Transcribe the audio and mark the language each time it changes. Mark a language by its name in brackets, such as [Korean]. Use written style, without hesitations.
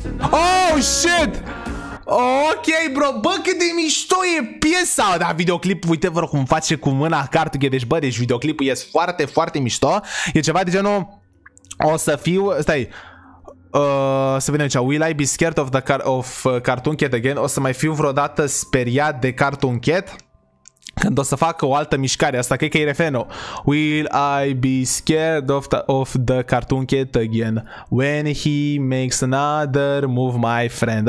[English] Oh, shit! [Romanian] Ok, bro, bă, cât de mișto e piesa. Da, videoclipul, uite, vă rog, cum face cu mâna cartuche. Deci, bă, deci videoclipul e foarte, foarte mișto. E ceva de genul, o să fiu, stai, să vedem aici. [English] Will I be scared of the Cartoon Cat again? [Romanian] O să mai fiu vreodată speriat de Cartoon Cat? Când o să facă o altă mișcare, asta cred că e refrenul. [English] Will I be scared of the Cartoon Cat again when he makes another move, my friend?